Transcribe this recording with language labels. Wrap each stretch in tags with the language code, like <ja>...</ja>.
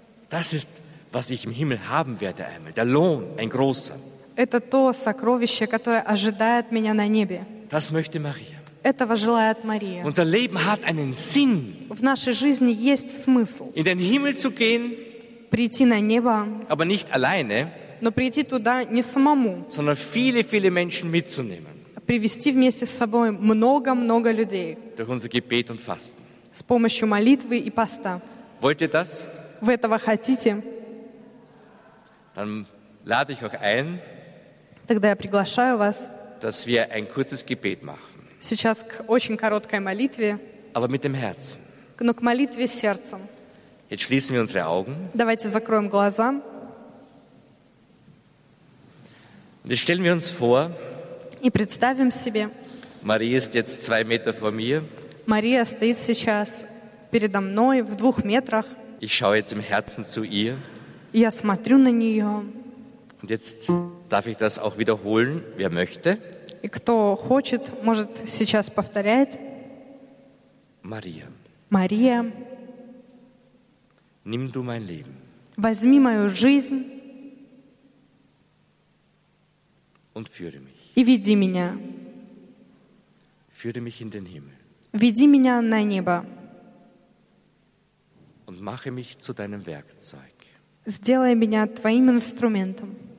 <de>Das ist, was ich im Himmel haben werde einmal. Der Lohn, ein großer.</de> <ru>Это то сокровище, которое ожидает меня на небе.</ru> <de>Das möchte Maria.</de> <ru>Этого желает Мария.</ru> <de>Unser Leben hat einen Sinn.</de> <ru>В нашей жизни есть смысл.</ru> <de>In den Himmel zu gehen.</de> <ru>Прийти на небо.</ru> <de>Aber nicht alleine.</de> <ru>Но прийти туда не самому.</ru> <de>Sondern viele, viele Menschen mitzunehmen.</de> <ru>Привести вместе с собой много-много людей.</ru> <de>Durch unser Gebet und Fasten.</de> <ru>С помощью молитвы и поста.</ru> <de>Wollt ihr das?</de> <ru>Вы этого хотите?</ru> <de>Dann lade ich euch ein.</de> <ru>Тогда я приглашаю вас.</ru> <de>Dass wir ein kurzes Gebet machen.</de> <ru>Сейчас к очень короткой молитве.</ru> <de>Aber mit dem Herzen.</de> <ru>Но к молитве с сердцем.</ru> <de>Jetzt schließen wir unsere Augen.</de> <ru>Давайте закроем глаза.</ru> <de>Und jetzt stellen wir uns vor.</de> <ru>И представим себе.</ru> <de>Maria ist jetzt 2 Meter vor mir.</de> <ru>Мария стоит сейчас передо мной в 2 метрах.</ru> <de>Ich schaue jetzt im Herzen zu ihr.</de> <ru>Я смотрю на нее.</ru> <de>Und jetzt darf ich das auch wiederholen, wer möchte.</de> <ru>И кто хочет, может сейчас повторять.</ru> <de>Maria.</de> <ru>Maria.</ru> <de>Nimm du mein Leben.</de> <ru>Возьми мою жизнь.</ru> <de>Und führe mich.</de> <ru>И веди меня.</ru> <de>Führe mich in den Himmel.</de> <ru>Веди меня на небо.</ru> <de>Und mache mich zu deinem Werkzeug.</de> <ru>Сделай меня твоим инструментом.</ru>